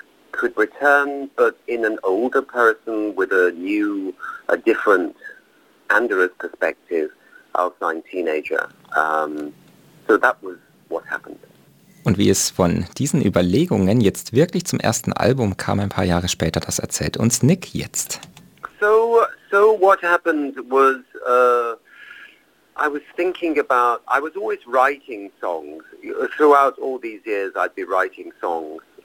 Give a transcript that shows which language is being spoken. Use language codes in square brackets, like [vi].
[en] Could return, but in an older person with a new, a different, Andrew's perspective of my teenager. So that was what happened. [de] Und wie es von diesen Überlegungen jetzt wirklich zum ersten Album kam, ein paar Jahre später, das erzählt uns Nick jetzt. [en] So what happened was, I was always writing songs. Throughout all these years, I'd be writing songs.